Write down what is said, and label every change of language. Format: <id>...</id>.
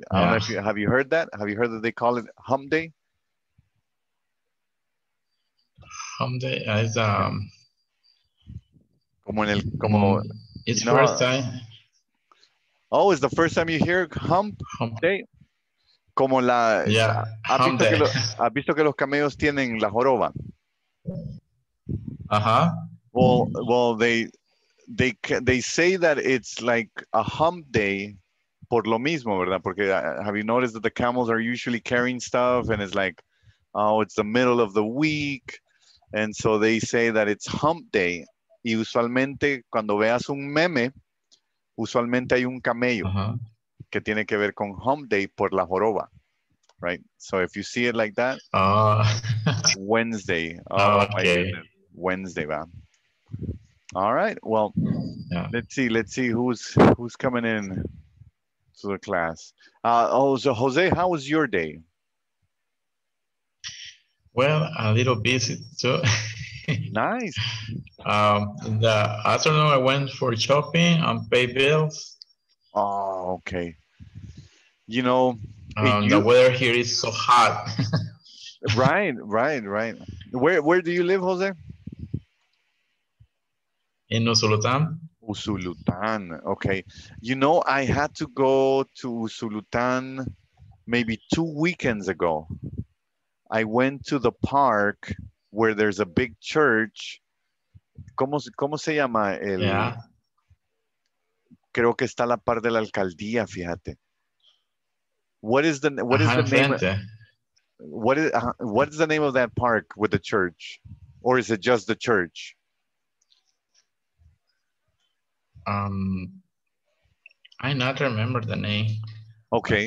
<en>Yeah. I don't know if you, have you heard that? Have you heard that they call it hump day? Hump day is,</en> <es>como en el, como,</es> <en>it's you know, first time. Oh, it's the first time you hear hump day?</en> <es>Como la,</es> <en>yeah, hump</en> <es>visto</es> <en>day.</en> <es>Que lo, ¿has visto que los camellos tienen la joroba? Uh-huh.</es> <en>Well, they say that it's like a hump day</en> <es>por lo mismo, ¿verdad? Porque</es> <en>have you noticed that the camels are usually carrying stuff and it's like, oh, it's the middle of the week. And so they say that it's hump day.</en> <es>Y usualmente, cuando veas un meme, usualmente hay un camello que tiene que ver con hump day por la joroba,</es> <en>right? So if you see it like that, Wednesday. Oh, okay. Wednesday, va. All right, well, yeah. let's see who's coming in to the class. So Jose, how was your day? Well, a little busy, so nice. The afternoon I went for shopping and pay bills. Oh, okay. You know, the weather here is so hot. right. Where do you live, Jose? In Usulután. Usulután, okay. You know, I had to go to Usulután maybe 2 weekends ago. I went to the park where there's a big church.</en> <es>¿Cómo se llama? El,</es> <en>yeah.</en> <es>Creo que está a la par de la alcaldía, fíjate.</es> <en>What is the name of that park with the church? Or is it just the church? I not remember the name. Okay.</en>